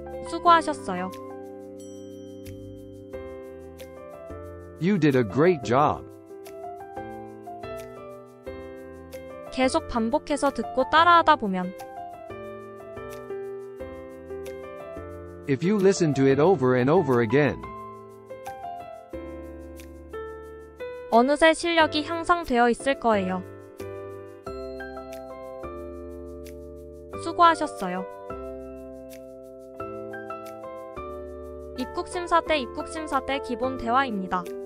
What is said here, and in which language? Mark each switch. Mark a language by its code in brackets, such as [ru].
[ko] 수고하셨어요. [en] You did a great job. [ko] 계속 반복해서 듣고 따라하다 보면 [en] If you listen to it over and over again. [ko] 어느새 실력이 향상되어 있을 거예요. 수고하셨어요. 입국 심사 때 기본 대화입니다.